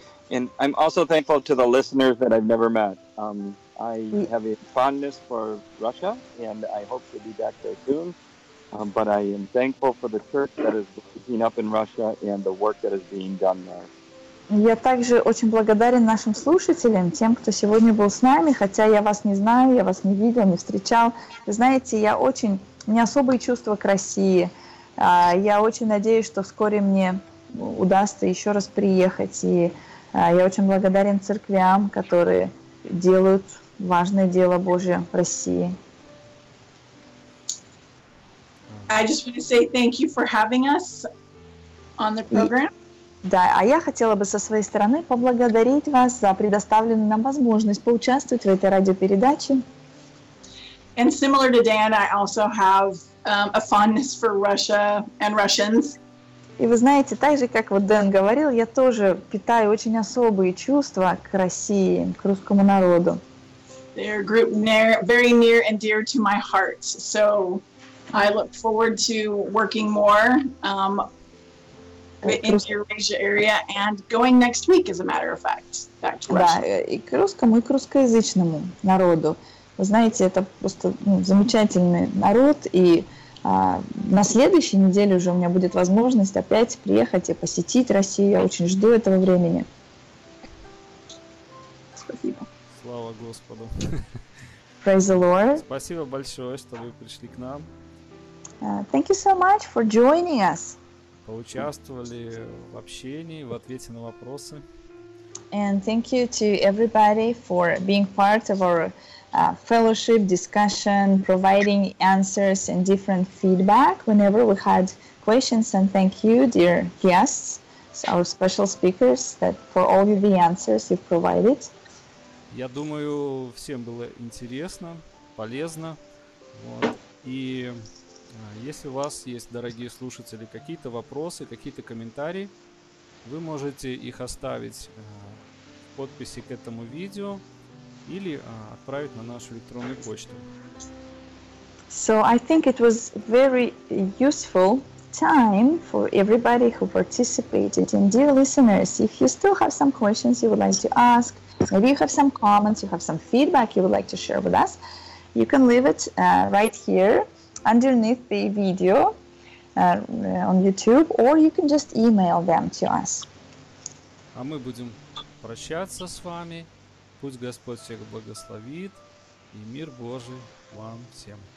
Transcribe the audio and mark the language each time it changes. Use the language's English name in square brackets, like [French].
[English] And I'm also thankful to the listeners that I've never met. I have a fondness for Russia, and I hope to be back there soon. But I am thankful for the church that is breaking up in Russia and the work that is being done there. [Russian] Я также очень благодарен нашим слушателям, тем, кто сегодня был с нами, хотя я вас не знаю, я вас не видел, не встречал. Вы знаете, я очень, у меня особые чувства к России. Я очень надеюсь, что вскоре мне удастся еще раз приехать. И я очень благодарен церквям, которые делают важное дело Божие в России. [English] I just want to say thank you for having us on the program. [Russian] Да, а я хотела бы со своей стороны поблагодарить вас за предоставленную нам возможность поучаствовать в этой радиопередаче. [English] And similar to Dan, I also have a fondness for Russia and Russians. [Russian] И вы знаете, так же, как вот Дэн говорил, я тоже питаю очень особые чувства к России, к русскому народу. [English] They're a group very near and dear to my heart, so I look forward to working more in the Eurasia area and going next week, as a matter of fact, back to Russia. [Russian] Да, и к русскому, и к русскоязычному народу. Вы знаете, это просто замечательный народ, и на следующей неделе уже у меня будет возможность опять приехать и посетить Россию. Я очень жду этого времени. Спасибо. Слава Господу. [English] Praise the Lord. [Russian] Спасибо большое, что вы пришли к нам. [English] Thank you so much for joining us. [Russian] Поучаствовали в общении, в ответе на вопросы. [English] And thank you to everybody for being part of our fellowship discussion, providing answers and different feedback whenever we had questions. And thank you, dear guests, our special speakers, that for all of the answers you've provided. [Russian] Я думаю, всем было интересно, полезно. Вот. И если у вас есть, дорогие слушатели, какие-то вопросы, какие-то комментарии, вы можете их оставить в подписи к этому видео или отправить на нашу электронную почту. [English] So I think it was very useful time for everybody who participated. And dear listeners, if you still have some questions you would like to ask, maybe you have some comments, you have some feedback you would like to share with us, you can leave it right here underneath the video on YouTube, or you can just email them to us. [Russian] А мы будем прощаться с вами. Пусть Господь всех благословит, и мир Божий вам всем.